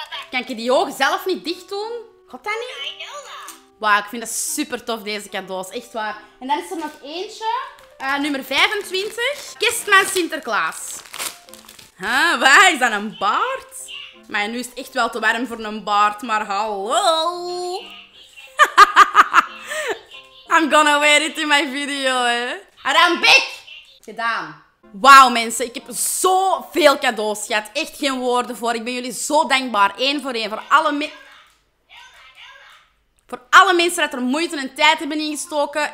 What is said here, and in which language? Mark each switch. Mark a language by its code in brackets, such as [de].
[nl] Kan ik die ogen zelf niet dicht doen? Gaat dat niet? Wauw, ik vind dat super tof, deze cadeaus. Echt waar. En dan is er nog eentje. Nummer 25. Kerstman Sinterklaas. Huh, wat? Is dat een baard? Maar nu is het echt wel te warm voor een baard. Maar hallo. [en] I'm gonna wear it in my video, hè. [nl] Arambik! Gedaan. Wauw, mensen. Ik heb zoveel cadeaus gehad. Echt geen woorden voor. Ik ben jullie zo dankbaar. Eén voor één. Voor alle mensen dat er moeite en tijd hebben ingestoken.